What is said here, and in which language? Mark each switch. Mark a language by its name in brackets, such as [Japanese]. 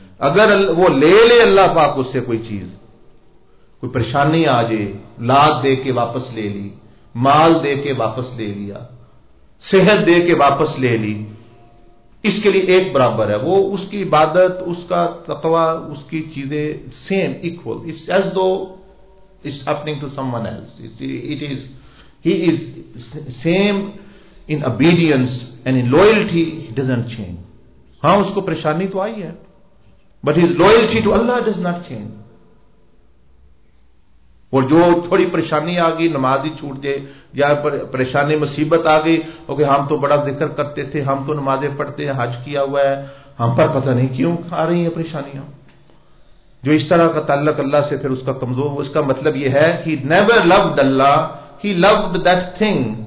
[Urdu] اگر وہ لے لے اللہ پاک اس سے کوئی چیز, کوئی پریشانی آ جائے, لاد دے کے واپس لے لی, مال دے کے واپس لے لیا, صحت دے کے واپس لے لی, اس کے لیے ایک برابر ہے, وہ اس کی عبادت, اس کا تقویٰ, اس کی چیزیں [English] Same equal, it's as though it's happening to someone else, it is he is same in obedience and in loyalty, he doesn't change. [Urdu] Haan, usko pareshani to aayi hai. [English] But his loyalty to Allah does not change. [Urdu] اور جو تھوڑی پریشانی آ گئی نماز ہی چھوٹ جائے، یا پریشانی مصیبت آ گئی کہ ہم تو بڑا ذکر کرتے تھے، ہم تو نمازیں پڑھتے ہیں، حج کیا ہوا ہے، ہم پر پتہ نہیں کیوں آ رہی ہیں پریشانیاں. جو اس طرح کا تعلق اللہ سے پھر اس کا کمزور، اس کا مطلب یہ ہے [English] He never loved Allah, he loved that thing.